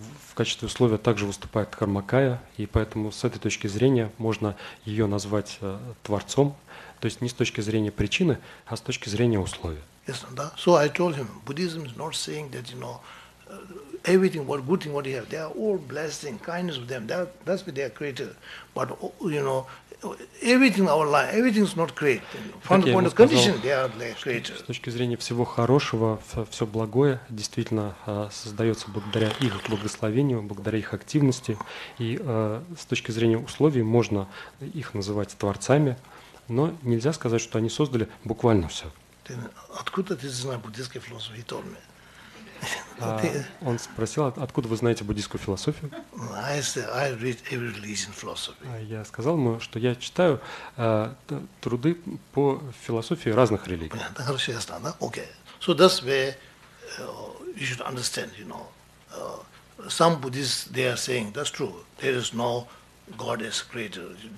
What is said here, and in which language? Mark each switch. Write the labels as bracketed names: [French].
[Russian] В качестве условия также выступает Дхармакая, и поэтому с этой точки зрения можно ее назвать творцом, то есть не с точки зрения причины, а с точки зрения условия. Yes, да? [English] So I told him, Buddhism is not saying that, you know, everything, what good thing what you have, they are all blessing, kindness with them, that's what they are created. But, you know, everything our life, everything is not created. From the point of condition, they are like created. [Russian] С точки зрения всего хорошего, все благое действительно создается благодаря их благословению, благодаря их активности. И с точки зрения условий можно их называть творцами, но нельзя сказать, что они создали буквально все. Then, откуда ты знаешь буддийский философ? [English] He told me. [Russian] Он спросил, откуда вы знаете буддийскую философию? [English] I said, I read every religion philosophy. [Russian] Я сказал ему, что я читаю труды по философии разных религий. Понятно, хорошо, ясно, да? Okay. [English] So that's where you should understand, you know. Some Buddhists, they are saying, that's true, there is no God as creator.